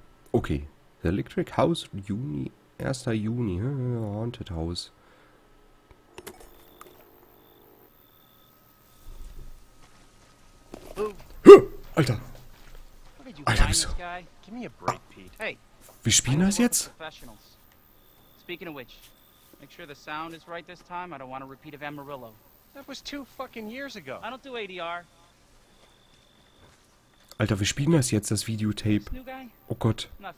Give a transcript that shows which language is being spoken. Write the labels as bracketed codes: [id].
[en] Okay. The Electric House, Juni. 1. Juni. Haunted House. [de] Alter. Alter, wieso? Ah. Wie spielen wir das jetzt? [en] Speaking of which, make sure the sound is right this time. I don't want a repeat of Amarillo. That was 2 fucking years ago. I don't do ADR. [de] Alter, wir spielen das jetzt, das Videotape. Oh Gott.